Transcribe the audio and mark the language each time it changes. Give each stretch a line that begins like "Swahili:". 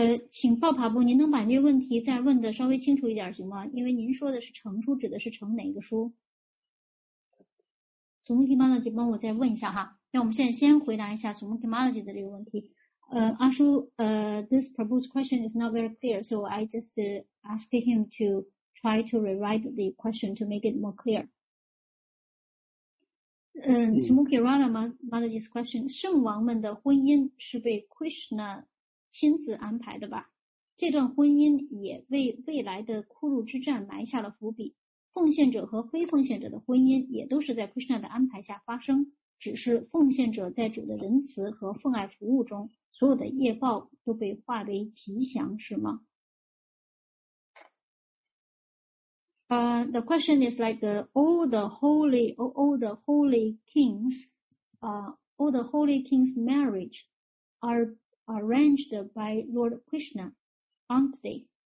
Chinese: 请鲍帕布，您能把这个问题再问的稍微清楚一点行吗？因为您说的是成书，指的是成哪个书？索穆提玛勒吉，帮我再问一下哈。那我们现在先回答一下索穆提玛勒吉的这个问题。
English: 阿叔，this Prabhu's question is not very clear, so I just ask him to try to rewrite the question to make it more clear. Smoky Rana Mataji's question,
Chinese: 圣王们的婚姻是被 Krishna 亲自安排的吧？这段婚姻也为未来的库鲁之战埋下了伏笔。奉献者和非奉献者的婚姻也都是在 Krishna 的安排下发生，只是奉献者在主的仁慈和奉爱服务中，所有的业报都被化为吉祥，是吗？
English: The question is like all the holy kings' marriage are arranged by Lord Krishna, aren't they?